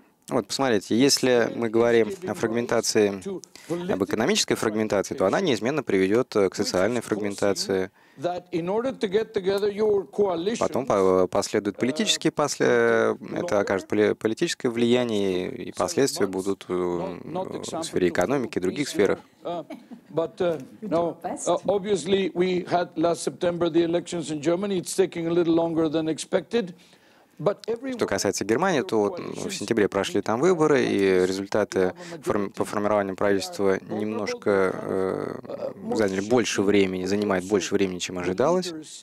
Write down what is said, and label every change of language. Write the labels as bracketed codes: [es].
[ru] Вот, посмотрите, если мы говорим о фрагментации, об экономической фрагментации, то она неизменно приведет к социальной фрагментации. Потом последуют политические это окажет политическое влияние, и последствия будут в сфере экономики, в других сферах. [en] Obviously, we had last September the elections in Germany. It's taking a little longer than expected. [ru] Что касается Германии, то вот в сентябре прошли там выборы, и результаты по формированию правительства немножко заняли больше времени, занимают больше времени, чем ожидалось.